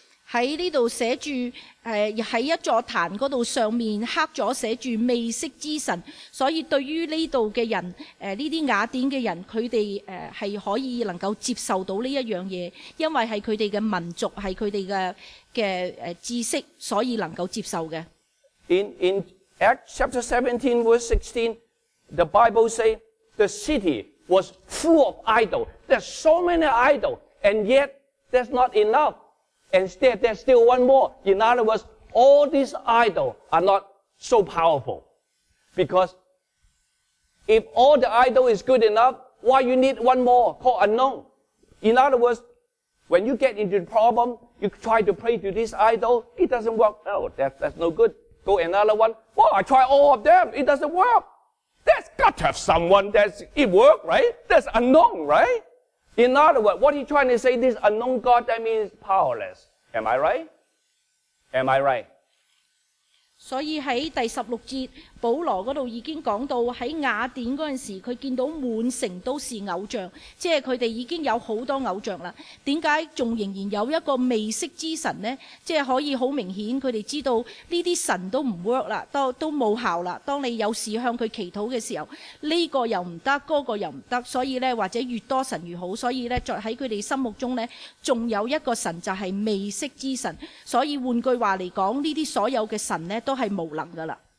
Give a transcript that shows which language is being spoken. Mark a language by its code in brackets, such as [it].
[zh] 在这里写住在一座坛那里上面刻了写住未识之神，所以对于这里的人这些雅典的人，他们是可以能够接受到这样东西，因为是他们的民族，是他们 的知识，所以能够接受的。 [en] In Acts chapter 17 verse 16, the Bible says the city was full of idols. There's so many idols, and yet that's not enoughInstead, there's still one more. In other words, all these idols are not so powerful. Because if all the idols is good enough, why you need one more called unknown? In other words, when you get into the problem, you try to pray to this idol, it doesn't work. Oh, that's no good. Go another one. Well, I try all of them, it doesn't work. There's got to have someone that's, it work, right? That's unknown, right? In other words, what he's trying to say, this unknown God, that means powerless. Am I right? [zh] 所以在第十六節，保羅那裡已經講到在雅典的時候，他見到滿城都是偶像，即是他們已經有很多偶像了，為什麼還仍然有一個未識之神呢？即是可以很明顯他們知道這些神都不 work 了， 都沒有效了，當你有事向他祈禱的時候，這個又不得，那個又不得，所以呢或者越多神越好，所以呢在他們心目中呢還有一個神就是未識之神，所以換句話來說，這些所有的神呢都是無能的了。